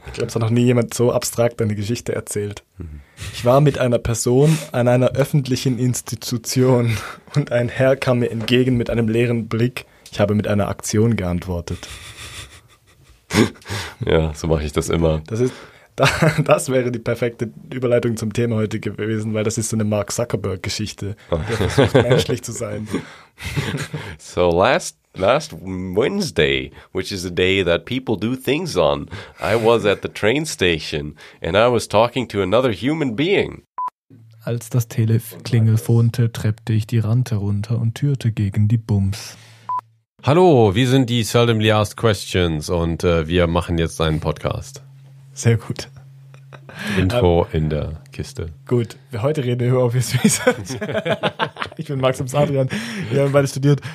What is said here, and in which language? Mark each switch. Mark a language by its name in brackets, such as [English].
[German] Ich glaube, es hat noch nie jemand so abstrakt eine Geschichte erzählt. Ich war mit einer Person an einer öffentlichen Institution und ein Herr kam mir entgegen mit einem leeren Blick. Ich habe mit einer Aktion geantwortet. Ja, so mache ich das immer. Das wäre die perfekte Überleitung zum Thema heute gewesen, weil das ist so eine Mark Zuckerberg-Geschichte, der versucht, menschlich zu sein. [English] So last Wednesday, which is a day that people do things on, I was at the train station and I was talking to another human being. [German] Als das Teleklingel fohnte, treppte ich die Rante runter und türte gegen die Bums. Hallo, wir sind die Seldomly Asked Questions und wir machen jetzt einen Podcast. Sehr gut. Intro in der Kiste. Gut, heute reden wir auf Swiss. Ich bin Max und Adrian, wir haben beide studiert.